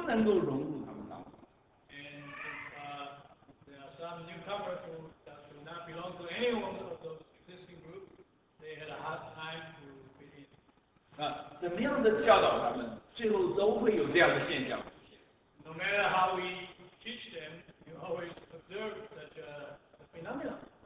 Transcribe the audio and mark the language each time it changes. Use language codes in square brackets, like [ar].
[zh] 那如果有这些族以外的来的年轻人，就不能够融入他们当中。 [en] And there are some newcomers who do not belong to anyone of those existing groups. They had a hard time to fit in. [zh] 怎么样的教导他们，最后都会有这样的现象出现。 [en] No matter how we teach them, you always observe such a phenomenon.